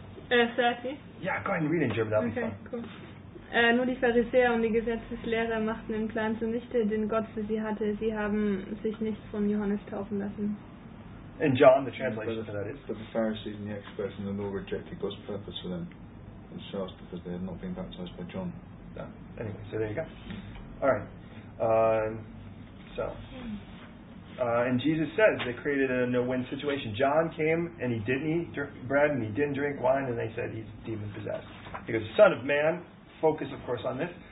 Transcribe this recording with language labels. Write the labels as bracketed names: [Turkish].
[English] Yeah, go ahead and read it in German. okay, be fun. Okay, cool. [German] Nur die Pharisäer und die Gesetzeslehrer machten den Plan zunichte, den Gott für sie hatte. Sie haben sich nicht von Johannes taufen lassen. [English] And John, the translation for that is? But the Pharisees and the experts in the law rejected God's purpose for them themselves because they had not been baptized by John. No. Anyway, so there you go. All right. And Jesus says they created a no-win situation. John came and he didn't eat bread and he didn't drink wine and they said he's demon-possessed. Because the Son of Man... focus, of course, on this.